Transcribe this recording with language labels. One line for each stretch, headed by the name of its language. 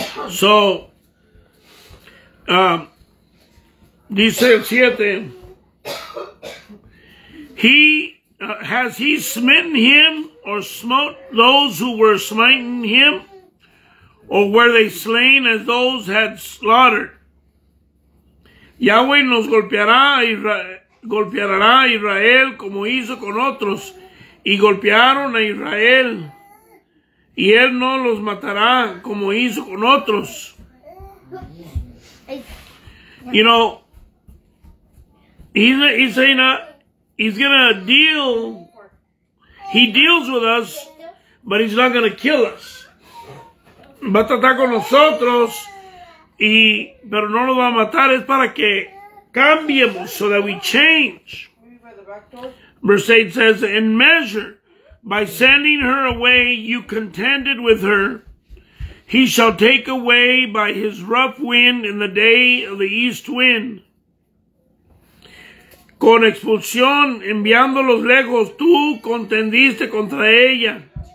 English: So,
Spanish: dice el siete,
English: has he smitten him or smote those who were smiting him, or were they slain as those had slaughtered?
Spanish: Yahweh nos golpeará a Israel como hizo con otros, y golpearon a Israel, y él no los matará como hizo con otros.
English: You know, he deals with us, but he's not going to kill us.
Spanish: Va a tratar con nosotros. Pero no nos va a matar, es para que cambiemos,
English: so that we change. Verse 8 says, in measure, by sending her away, you contended with her. He shall take away by his rough wind in the day of the east wind.
Spanish: Con expulsión, enviándolos lejos, tú contendiste contra ella.